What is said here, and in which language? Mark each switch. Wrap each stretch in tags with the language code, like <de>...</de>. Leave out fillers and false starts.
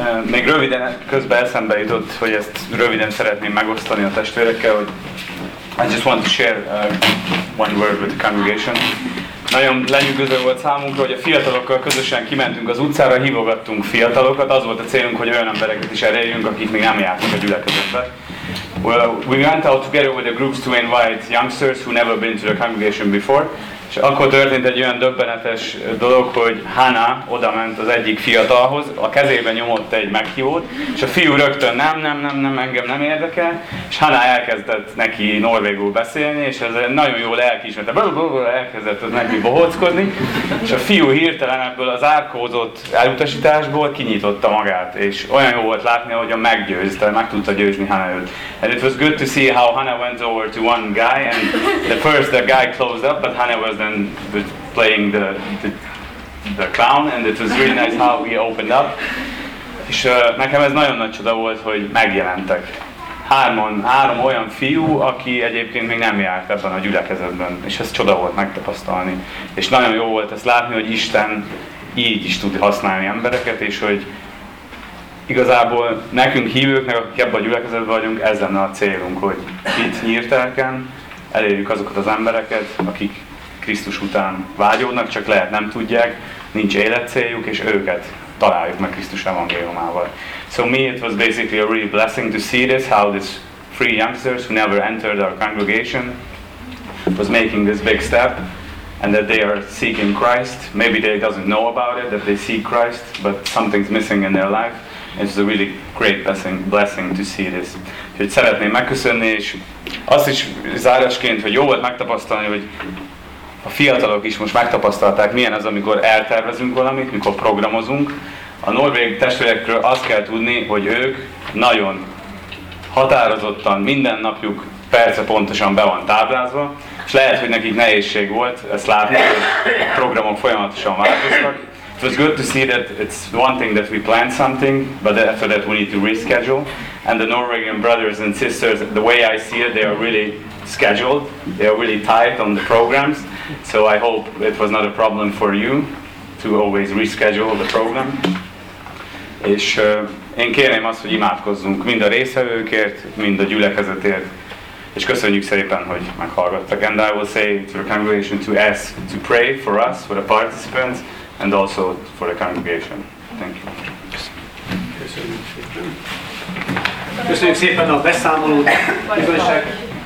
<hu>Még röviden közben eszembe jutott, hogy ezt röviden szeretném megosztani a testvérekkel, hogy</hu> <en>I just want to share one word with the congregation.</en> <hu>Nagyon lenyűgöző volt számunkra, hogy a fiatalokkal közösen kimentünk az utcára, hívogattunk fiatalokat. Az volt a célunk, hogy olyan embereket is elérjünk, akik még nem jártak a gyülekezetbe.</hu> <en>Well, we went out together with the groups to invite youngsters who never been to the congregation before.</en> <hu>És akkor történt egy olyan döbbenetes dolog, hogy Hannah odament az egyik fiatalhoz, a kezében nyomott egy meghívót, és a fiú rögtön nem, engem nem érdekel, és Hannah elkezdett neki norvégul beszélni, és ez nagyon jó lelkiismerete, elkezdett neki bohóckodni, és a fiú hirtelen ebből az árkózott elutasításból kinyitotta magát, és olyan jó volt látni, hogy a meggyőzte, meg tudta győzni Hannah őt.</hu> <en>And it was good to see how Hannah went over to one guy, and the first the guy closed up, but Hannah was then playing the clown, and it was really nice how we opened up.</en> <hu>És nekem ez nagyon nagy csoda volt, hogy megjelentek. Három olyan fiú, aki egyébként még nem járt ebben a gyülekezetben, és ez csoda volt megtapasztalni. És nagyon jó volt ezt látni, hogy Isten így is tud használni embereket, és hogy igazából nekünk hívőknek, akik ebben a gyülekezetben vagyunk, ez lenne a célunk, hogy itt nyírtelken elérjük azokat az embereket, akik Krisztus után vágyódnak, csak lehet nem tudják, nincs életcéljuk, és őket találjuk meg Krisztus evangéliumával.</hu> <en>So me, it was basically a real blessing to see this, how these three youngsters who never entered our congregation was making this big step, and that they are seeking Christ. Maybe they doesn't know about it, that they seek Christ, but something's missing in their life. It's a really great blessing to see this.</en> <hu>Úgyhogy szeretném megköszönni, és azt is zárásként, hogy jó volt megtapasztalni, hogy a fiatalok is most megtapasztalták, milyen az, amikor eltervezünk valamit, mikor programozunk. A norvég testvérekről azt kell tudni, hogy ők nagyon határozottan minden napjuk perce pontosan be van táblázva, és lehet, hogy nekik nehézség volt ezt látni, hogy a programok folyamatosan változtak.</hu> <en>It was good to see that it's one thing that we planned something, but after that we need to reschedule. And the Norwegian brothers and sisters, the way I see it, they are really scheduled. They are really tight on the programs. So I hope it was not a problem for you to always reschedule the program.</en> <hu>És én kérném azt, hogy imádkozzunk mind a résztvevőkért, mind a gyülekezetért. És köszönjük szépen, hogy meghallgattak.</hu> <en>And I will say to the congregation to ask to pray for us, for the participants, and also for the congregation. Thank you.</en> <hu>Köszönjük szépen a beszámolót, igazság.</hu>